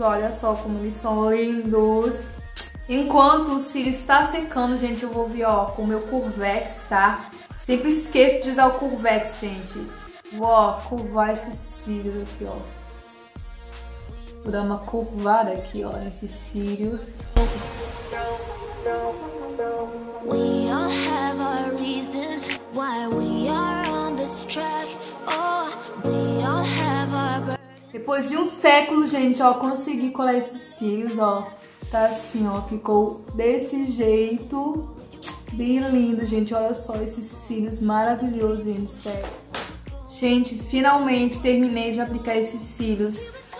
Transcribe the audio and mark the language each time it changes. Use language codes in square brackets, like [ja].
[pt] Olha só como eles são lindos. Enquanto o cílio está secando, gente, eu vou vir, ó, com o meu Curvex, tá? Sempre esqueço de usar o Curvex, gente. Vou, ó, curvar esses cílios aqui, ó. Vou dar uma curvada aqui, ó, nesses cílios. [en] We all have our reasons why we are on this track. Oh, we all have our burden. [pt] Depois de um século, gente, ó, consegui colar esses cílios, ó. Tá assim, ó, ficou desse jeito. Bem lindo, gente, olha só esses cílios maravilhosos, gente, sério. Gente, finalmente terminei de aplicar esses cílios.